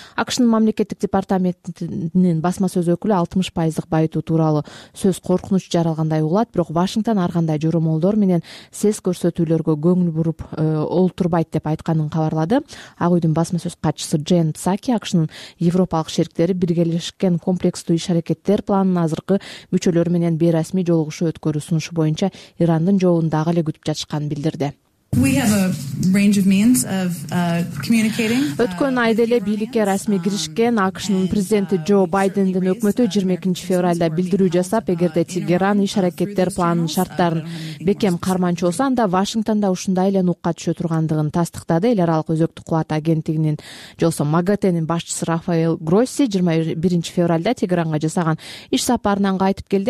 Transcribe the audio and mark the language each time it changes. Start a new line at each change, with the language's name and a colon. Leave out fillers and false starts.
Kyrgyz: АКШнын мамлекеттик департаментинин басма сөз өкүлү 60% байытуу тууралуу сөз коркунуч жаралгандай угулат, бирок Вашингтон ар кандай жоромолдор менен сес көрсөтүүлөргө көңүл буруп олтурбайт деп айтканын кабарлады. Ак үйдүн басма сөз катчысы Джен Саки АКШнын европалык шериктери биргелешкен комплекстүү иш аракеттер планын азыркы мүчөлөрү менен бейрасмий жолугушуу өткөрүү сунушу боюнча Ирандын жообун дагы эле күтүп жатышканын билдирди.
English: We have a range of means of communicating.
Kyrgyz: Өткөн айда эле бийликке расмий киришкен АКШнын президенти Джо Байдендин өкмөтү 22-февралда билдирүү жасап, эгерде Тегеран иш аракеттер планынын шарттарын бекем карманчу болсо, анда Вашингтонда ушундай эле нукка түшө тургандыгын тастыктады. Эл аралык өзөктүк кубат агенттигинин жолсо МАГАТЭнин башчысы Рафаэл Гросси 21-февралда Тегеранга жасаган иш сапарынан кайтып келди.